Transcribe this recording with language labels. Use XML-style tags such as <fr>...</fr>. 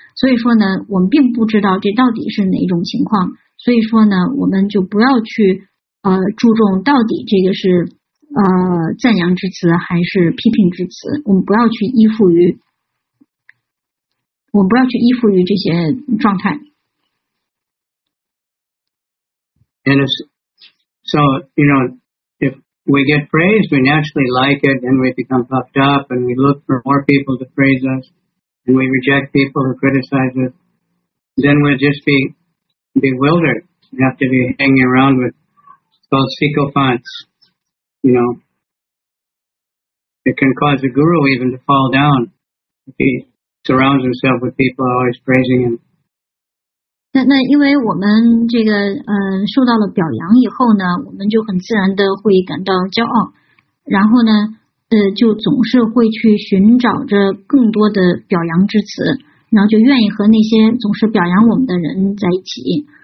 <zh>所以说呢，我们并不知道这到底是哪种情况。所以说呢，我们就不要去。注重到底这个是赞扬之词还是批评之词，我们不要去依附于这些状态。</zh> <en>And so, you know, if we get praised, we naturally like it and we become puffed up and we look for more people to praise us and we reject people who criticize us, then we'll just be bewildered. We have to be hanging around with called sycophants, you know. It can cause a guru even to fall down if he surrounds himself with people always praising him.</en> <zh>那因为我们这个受到了表扬以后呢，我们就很自然的会感到骄傲，然后呢就总是会去寻找着更多的表扬之词，然后就愿意和那些总是表扬我们的人在一起。</zh>